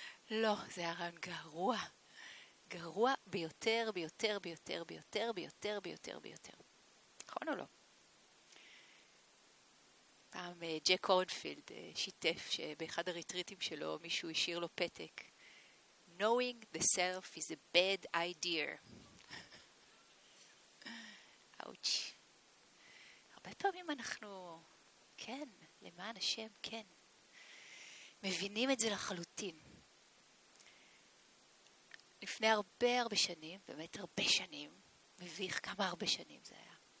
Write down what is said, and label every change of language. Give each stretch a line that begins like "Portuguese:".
Hebrew: לא, זה היה רעיון גרוע. גרוע ביותר, ביותר, ביותר, ביותר, ביותר, ביותר, ביותר. נכון או לא? פעם ג'ק קורנפילד שיתף שבאחד הריטריטים שלו מישהו השאיר לו פתק.
English: Knowing the self is a bad idea. Ouch.
Hebrew: הרבה פעמים אנחנו, כן, למען השם, כן, מבינים את זה לחלוטין. לפני הרבה הרבה שנים, באמת הרבה שנים, מביך כמה הרבה שנים זה היה.